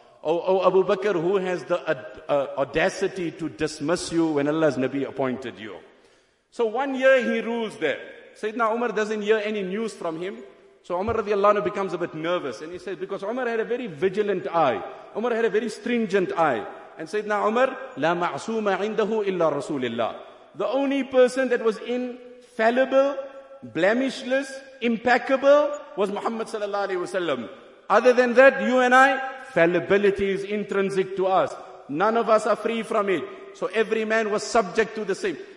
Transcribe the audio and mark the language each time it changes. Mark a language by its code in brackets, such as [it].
[en] Oh Abu Bakr, who has the audacity to dismiss you when Allah's Nabi appointed you? So 1 year he rules there. Sayyidina Umar doesn't hear any news from him. So Umar radiallahu anhu becomes a bit nervous. And he says, because Umar had a very vigilant eye. Umar had a very stringent eye. And Sayyidina Umar, [ar] لا معصوم عنده إلا رسول الله. [en] The only person that was infallible, blemishless, impeccable, was Muhammad sallallahu alayhi wa sallam. Other than that, you and I, fallibility is intrinsic to us. None of us are free from it. So every man was subject to the same.